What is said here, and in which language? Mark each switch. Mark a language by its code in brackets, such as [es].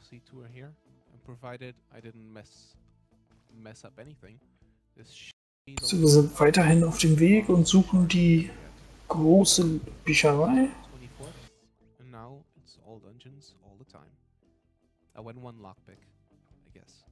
[en] Tour here, and provided I didn't mess up anything. [de] So, wir sind weiterhin auf dem Weg und suchen die große Bücherei. [en] And now it's all dungeons all the time. I went one lockpick, I guess.